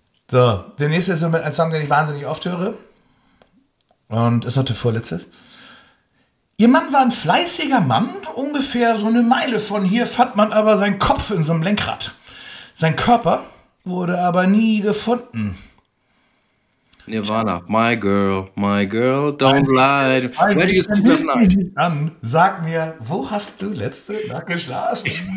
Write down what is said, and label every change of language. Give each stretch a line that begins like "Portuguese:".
German: So, der nächste ist ein Song, den ich wahnsinnig oft höre. Und ist noch der vorletzte. Ihr Mann war ein fleißiger Mann, ungefähr so eine Meile von hier fand man aber seinen Kopf in so einem Lenkrad. Sein Körper wurde aber nie gefunden.
English: Nirvana, my girl, don't lie.
German: Wer die gesagt hat, nein. Sag mir, wo hast du letzte Nacht geschlafen?